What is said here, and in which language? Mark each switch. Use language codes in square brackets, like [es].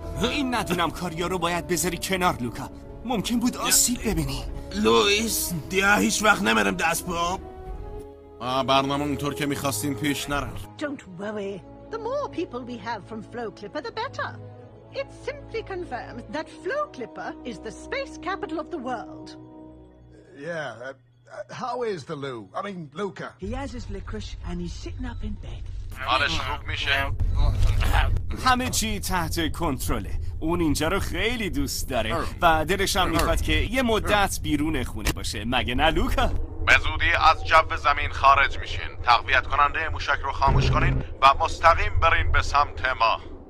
[fa] این ندونم کاریا رو باید بذاری کنار لوکا، ممکن بود آسیب ببینی. لوئیس دیگه هیچ وقت نمیرم دست پاپ. برنامه اونطور که میخواستیم پیش نرفت. [en] Don't worry. The more people we have from Flow Clipper the better. It simply confirms that Flow Clipper is the space capital of the world. Yeah, how is the Lou? I mean Luca. He has his licorice and he's sitting up in bed. [fa] حالش خوب میشه؟ همه چی تحت کنترله. اون اینجا رو خیلی دوست داره و دلش هم میخواد که یه مدت بیرون خونه باشه، مگه نه لوکا؟ به زودی از جو زمین خارج میشین. تقویت کننده موشک رو خاموش کنین و مستقیم برین به سمت ما.